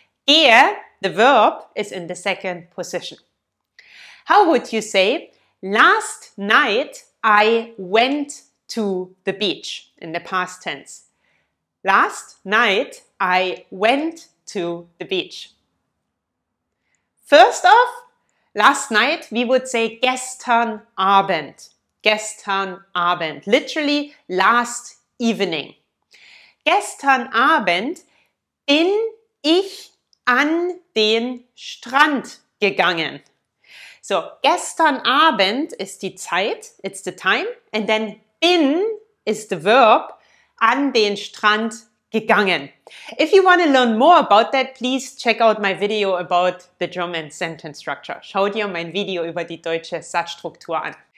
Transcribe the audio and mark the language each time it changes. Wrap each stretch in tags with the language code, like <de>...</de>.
<en>Gehe, the verb, is in the 2nd position. How would you say, last night I went to the beach, in the past tense. Last night I went to the beach. First off, last night we would say</en> <de>gestern Abend. Gestern Abend,</de> <en>literally last evening.</en> <de>Gestern Abend bin ich an den Strand gegangen.</de> <en>So,</en> <de>gestern Abend ist die Zeit,</de> <en>it's the time, and then been is the verb,</en> <de>an den Strand gegangen.</de> <en>If you want to learn more about that, please check out my video about the German sentence structure.</en> <de>Schau dir mein Video über die deutsche Satzstruktur an.</de>